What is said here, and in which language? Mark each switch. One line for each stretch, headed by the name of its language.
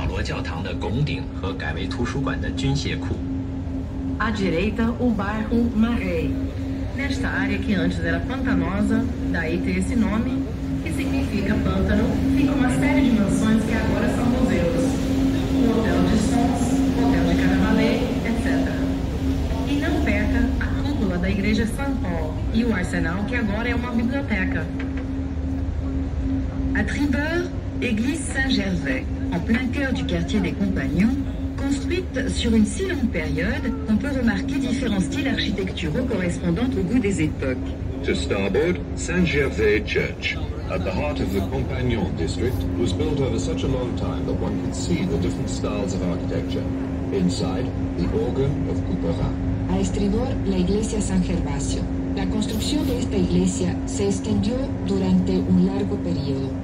Chinese: 右舷是马海区，从前这里是水淹区，区内许多公馆如今已改为博物馆、萨斯公馆、戛纳万代公馆等等。诸位还可以看到圣保罗教堂的拱顶和改为图书馆的军械库。
Portuguese: A direita, o bairro Marais. Nesta área que antes era pantanosa, daí ter esse nome, que significa pântano, fica uma série de mansões que agora são museus. O Hotel de Sons, o Hotel de Caravalet, etc. E não perca a cúpula da Igreja São Paulo e o arsenal que agora é uma biblioteca.
French: A Tribord, Église Saint-Gervais, en plein cœur du quartier des Compagnons, construite sur une si longue période, on peut remarquer différents styles architecturaux correspondant au goût des époques.
English: To starboard, Saint-Gervais Church, at the heart of the Compagnon district, was built over such a long time that one could see the different styles of architecture. Inside, the organ of Couperin.
Spanish: A estribor, la iglesia San Gervasio. La construcción de esta iglesia se extendió durante un largo periodo.